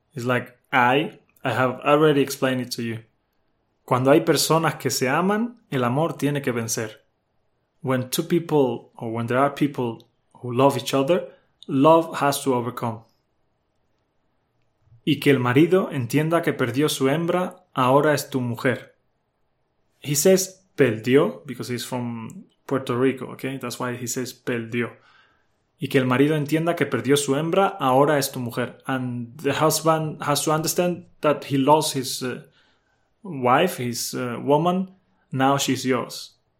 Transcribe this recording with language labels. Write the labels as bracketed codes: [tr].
[en] It's like, I have already explained it to you. [es] Cuando hay personas que se aman, el amor tiene que vencer. [en] When two people, or when there are people who love each other, love has to overcome. [es] Y que el marido entienda que perdió su hembra, ahora es tu mujer. [en] He says, perdió, because he's from Puerto Rico, okay? That's why he says, perdió. [es] Y que el marido entienda que perdió su hembra, ahora es tu mujer. [en] And the husband has to understand that he lost his wife, his woman, now she's yours.